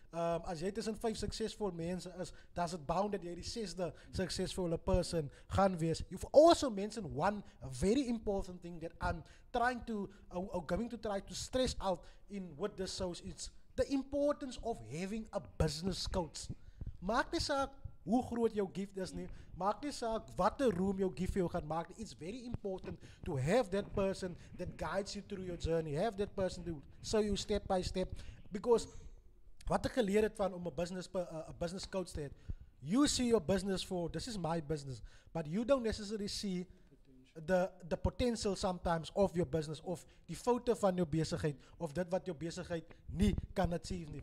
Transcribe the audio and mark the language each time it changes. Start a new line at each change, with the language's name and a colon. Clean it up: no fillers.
Afrikaans: As jy tussen 5 suksesvolle mense is,
English: that's it bound that
Afrikaans: jy die 6de suksesvolle person gaan wees.
English: You've also mentioned one very important thing that I'm trying to, going to try to stress out in what this shows. It's the importance of having a business coach.
Afrikaans: Maak nie saak hoe groot jou gift is nie. Maak nie saak watter room jou gift vir jou gaan maak.
English: It's very important to have that person that guides you through your journey. Have that person to show you step by step. Because
Afrikaans: wat ek geleer het van om 'n business coach te hê,
English: you see your business for, this is my business, but you don't necessarily see the potential sometimes of your business,
Afrikaans: of die foute van jou besigheid, of dit wat jou besigheid nie kan achieve nie.